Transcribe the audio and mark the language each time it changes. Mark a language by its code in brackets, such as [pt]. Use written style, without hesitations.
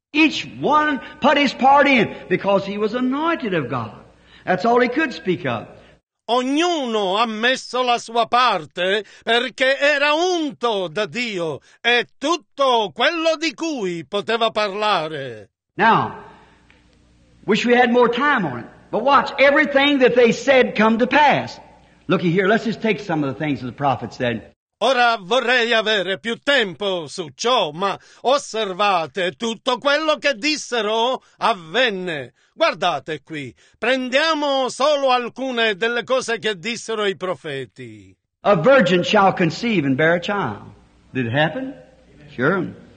[en] Each one put his part in because he was anointed of God. That's all he could speak of. [it] Ognuno ha messo la sua parte perché era unto da Dio e tutto quello di cui poteva parlare. [en] Now, wish we had more time on it. But watch, everything that they said come to pass. Looky here, let's just take some of the things that the prophets said. [it] Ora vorrei avere più tempo su ciò, ma osservate, tutto quello che dissero avvenne. Guardate qui, prendiamo solo alcune delle cose che dissero i profeti. [en] A virgin shall conceive and bear a child. Did it happen? Sure.